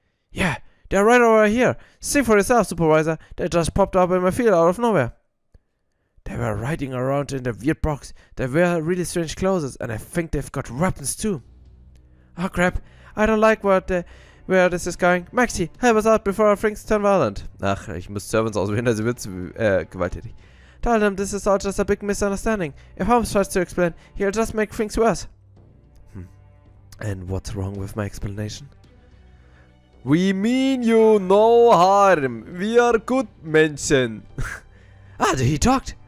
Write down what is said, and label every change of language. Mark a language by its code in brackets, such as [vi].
[en] Yeah, they are right over here. See for yourself, Supervisor. They just popped up in my field out of nowhere. They were riding around in the weird box. They wear really strange clothes, and I think they've got weapons too. Oh crap, I don't like where this is going. Maxi, help us out before our things turn violent. [de] Ach, ich muss Servants auswählen, also wird's gewalttätig. [en] Tell them this is all just a big misunderstanding. If Holmes tries to explain, he'll just make things worse. Hm. And what's wrong with my explanation? We mean you no harm. We are good Menschen. Ah, did he talk?